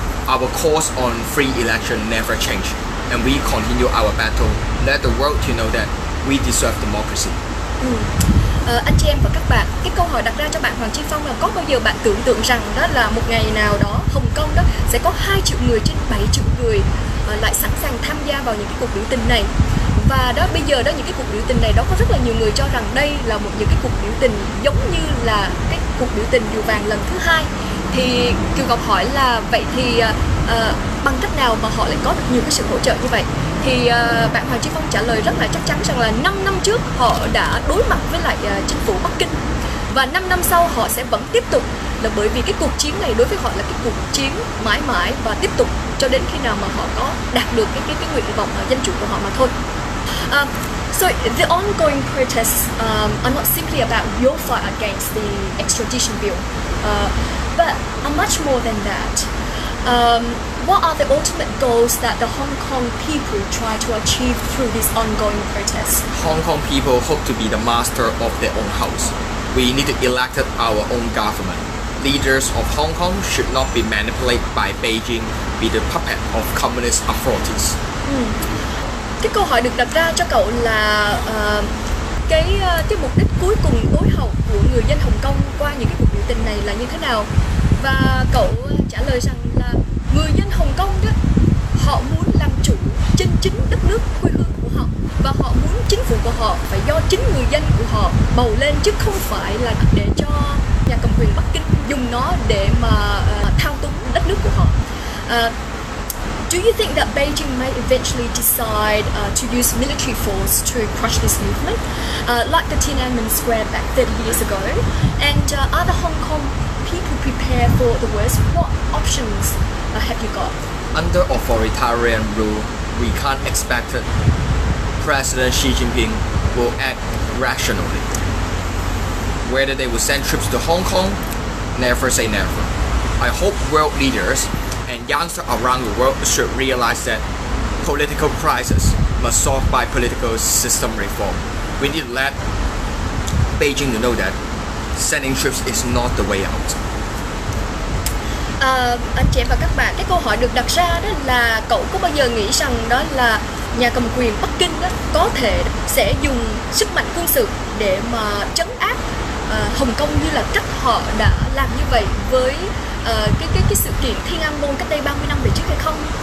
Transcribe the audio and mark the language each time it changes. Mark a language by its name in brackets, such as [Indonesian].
[English] Our cause on free election never changed, and we continue our battle. Let the world to know that we deserve democracy. [Vietnamese] Anh chị em và các bạn, cái câu hỏi đặt ra cho bạn Hoàng Chi Phong là có bao giờ bạn tưởng tượng rằng đó là một ngày nào đó Hồng Kông đó sẽ có 2 triệu người trên 7 triệu người lại sẵn sàng tham gia vào những cái cuộc biểu tình này? Và đó bây giờ đó, những cái cuộc biểu tình này đó, có rất là nhiều người cho rằng đây là một những cái cuộc biểu tình giống như là cái cuộc biểu tình Điều Vàng lần thứ 2. Thì Kiều Ngọc hỏi là vậy thì bằng cách nào mà họ lại có được nhiều cái sự hỗ trợ như vậy? Thì bạn Hoàng Chi Phong trả lời rất là chắc chắn rằng là 5 năm trước họ đã đối mặt với lại chính phủ Bắc Kinh. Và 5 năm sau họ sẽ vẫn tiếp tục, là bởi vì cái cuộc chiến này đối với họ là cái cuộc chiến mãi mãi và tiếp tục cho đến khi nào mà họ có đạt được cái nguyện vọng dân chủ của họ mà thôi. [English] So the ongoing protests are not simply about your fight against the extradition bill, but are much more than that. What are the ultimate goals that the Hong Kong people try to achieve through these ongoing protests? Hong Kong people hope to be the master of their own house. We need to elect our own government. Leaders of Hong Kong should not be manipulated by Beijing, be the puppet of communist authorities. [Vietnamese] Cái câu hỏi được đặt ra cho cậu là cái mục đích cuối cùng tối hậu của người dân Hồng Kông qua những cái cuộc biểu tình này là như thế nào? Và cậu trả lời rằng là người dân Hồng Kông đó, họ muốn làm chủ trên chính đất nước quê hương của họ, và họ muốn chính phủ của họ phải do chính người dân của họ bầu lên, chứ không phải là để cho nhà cầm quyền Bắc Kinh dùng nó để mà thao túng đất nước của họ. [English] Do you think that Beijing might eventually decide to use military force to crush this movement, like the Tiananmen Square back 30 years ago? And are the Hong Kong people prepared for the worst? What options have you got? Under authoritarian rule, we can't expect that President Xi Jinping will act rationally. Whether they will send troops to Hong Kong, never say never. I hope world leaders and youngsters around the world should realize that political crisis must solve by political system reform. We need to let Beijing to know that sending troops is not the way out. [Vietnamese] Anh chị em và các bạn, cái câu hỏi được đặt ra đó là cậu có bao giờ nghĩ rằng đó là nhà cầm quyền Bắc Kinh đó có thể sẽ dùng sức mạnh quân sự để mà trấn áp Hồng Kông như là cách họ đã làm như vậy với cái sự kiện Thiên An Môn cách đây 30 năm về trước hay không?